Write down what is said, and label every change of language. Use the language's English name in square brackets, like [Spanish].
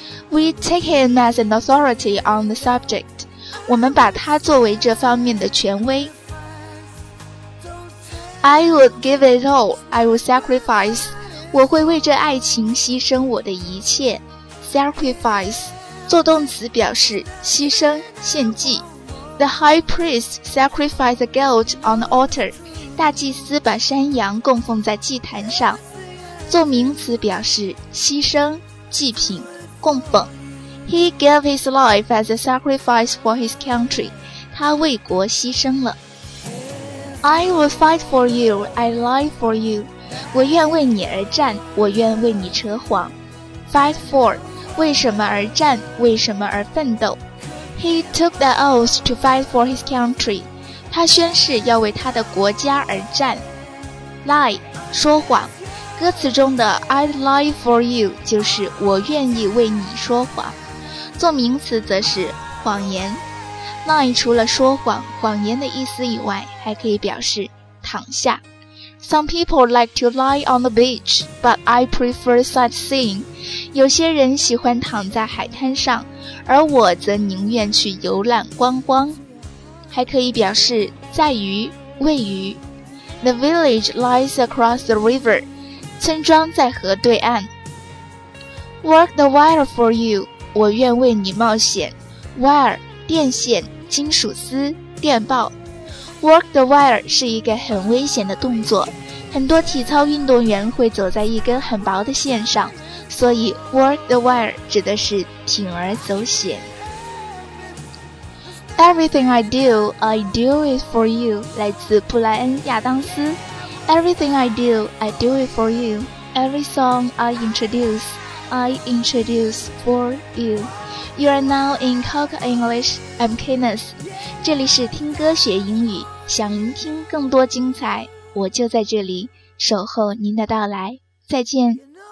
[English] We take him as an authority on the subject. [Chinese] 我们把他作为这方面的权威。 [English] I would give it all. I would sacrifice. [Chinese] 我会为这爱情牺牲我的一切。 Sacrifice. 做动词表示牺牲、献祭。 [English] The high priest sacrificed the goat on the altar. [Chinese] 大祭司把山羊供奉在祭坛上。做名词表示牺牲、祭品。供奉。 [English] He gave his life as a sacrifice for his country. [Chinese] 他为国牺牲了。 [English] I will fight for you, I lie for you. [Chinese] 我愿为你而战，我愿为你扯谎。 Fight for 为什么而战，为什么而奋斗。 [English] He took the oath to fight for his country. [Chinese] 他宣誓要为他的国家而战。 Lie 说谎，歌词中的 [English] I'd lie for you [Chinese] 就是我愿意为你说谎，做名词则是谎言。 lie 除了说谎、谎言的意思以外，还可以表示躺下。 [English] Some people like to lie on the beach, but I prefer sightseeing. [Chinese] 有些人喜欢躺在海滩上，而我则宁愿去游览观光。还可以表示在于、位于。 [English] The village lies across the river. [Chinese] 村庄在河对岸。 [English] Work the wire for you. [Chinese] 我愿为你冒险。Wire, 电线、金属丝、电报。 [English] Work the wire [Chinese] 是一个很危险的动作，很多体操运动员会走在一根很薄的线上，所以 [English] work the wire [Chinese] 指的是铤而走险。 [English] Everything I do it for you [Chinese] 来自布莱恩·亚当斯。 [English] Everything I do it for you. Every song I introduce for you. You are now in Coke English, I'm Kenneth. [Chinese] 这里是听歌学英语，想聆听更多精彩，我就在这里守候您的到来。再见。